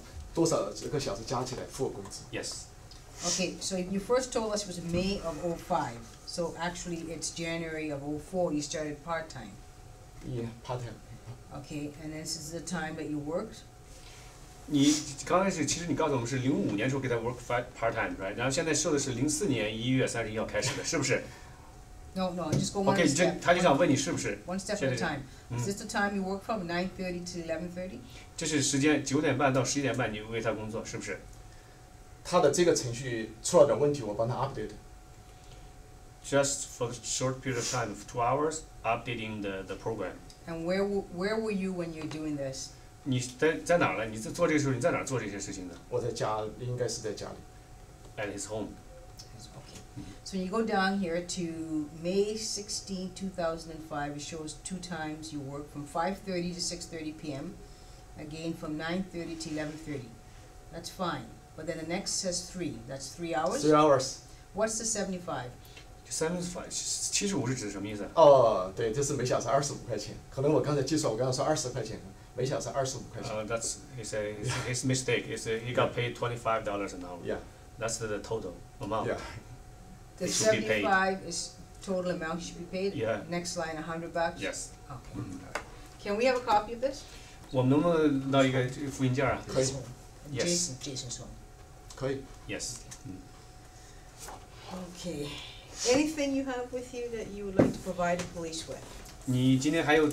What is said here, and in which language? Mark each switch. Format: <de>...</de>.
<zh>这是不是唐先生要求你这么做的？是呀，因为我要我做了什么，要每个小时做了什么，告诉他，他把多少个小时加起来付我工资。</zh> <en>Yes. Okay, so you first told us it was May of 05, so actually it's January of 04 you started part time. Yeah, part time. Okay, and this is the time that you worked.</en> <zh>你刚开始，其实你告诉我们是05年时候给他</zh> <en>work part time, right?</en> <zh>然后现在说的是04年1月31号开始的，是不是？</zh> <en>No, no, just go one okay, step. Okay,</en> <zh>他就想问你是不是？</zh> <en>One step at a time. Is this the time you work from 9:30 to 11:30?</en> <zh>这是时间9点半到11点半，你为他工作是不是？他的这个程序出了点问题，我帮他 update.</zh> <en>Just for a short period of time, 2 hours, updating the program. And where were you when you're doing this?</en> <zh>你在哪儿了？你在做这个时候，你在哪儿做这些事情的？我在家，应该是在家里。</zh> <en>At his home. Okay. So you go down here to May 16, 2005. It shows two times you work from 5:30 to 6:30 p.m. Again from 9:30 to 11:30. That's fine. But then the next says three. That's 3 hours. 3 hours. What's the 75?</en> <zh>75，75是指什么意思？哦，对，这是每小时25块钱。可能我刚才计算，我刚刚说20块钱。每小时25块钱。</zh> <en>That's his mistake. He got paid $25 an hour. Yeah. That's the total amount. Yeah. The 75 is total amount he should be paid. Yeah. Next line, $100. Yes. Okay. Can we have a copy of this?</en> <zh>我们能不能拿一个复印件啊？可以。</zh> <en>Yes. Jason Song.</en> <zh>可以。</zh> <en>Yes. Okay. Anything you have with you that you would like to provide the police with?</en>